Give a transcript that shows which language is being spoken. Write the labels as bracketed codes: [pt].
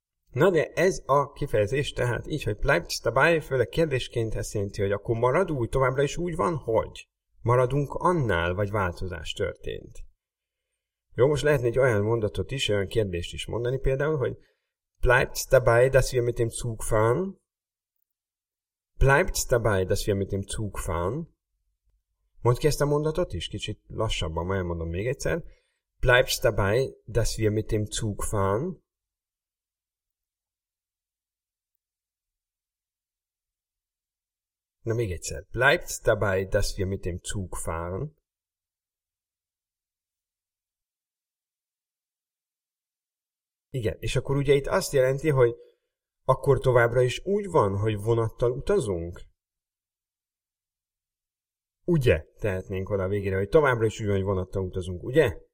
[hu] Na de ez a kifejezés, tehát így, hogy [de] bleibst dabei, [hu] főleg kérdésként ezt jelenti, hogy akkor marad úgy, továbbra is úgy van, hogy maradunk annál, vagy változás történt. Jó, most lehetne egy olyan mondatot is, olyan kérdést is mondani például, hogy [de] bleibst dabei, dass wir mit dem Zug fahren? Bleibst dabei, dass wir mit dem Zug fahren? [hu] Mondd ki ezt a mondatot is, kicsit lassabban, majd elmondom még egyszer. [de] Bleibst dabei, dass wir mit dem Zug fahren? [hu] Na, még egyszer. [de] Bleibst dabei, dass wir mit dem Zug fahren? [hu] Igen, és akkor ugye itt azt jelenti, hogy akkor továbbra is úgy van, hogy vonattal utazunk? Ugye? Tehetnénk oda a végére, hogy továbbra is úgy van, hogy vonattal utazunk, ugye?